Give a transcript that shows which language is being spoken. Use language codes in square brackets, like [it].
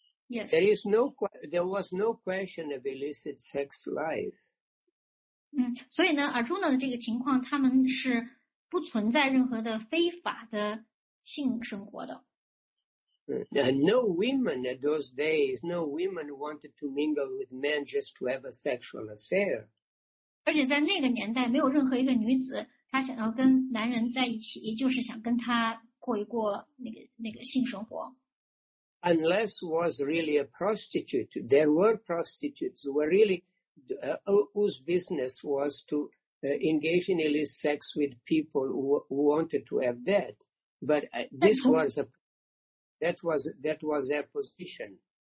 [en] There is no, there was no question of illicit sex life. [zh] 所以呢，尔朱呢的这个情况，他们是不存在任何的非法的性生活的。 [en] And no women at those days, no women wanted to mingle with men just to have a sexual affair. [zh] 而且在那个年代，没有任何一个女子她想要跟男人在一起，就是想跟他。过一过那个性生活。 [en] Unless was really a prostitute, there were prostitutes who were really whose business was to engage in illicit sex with people who wanted to have that. But this was a that was their position.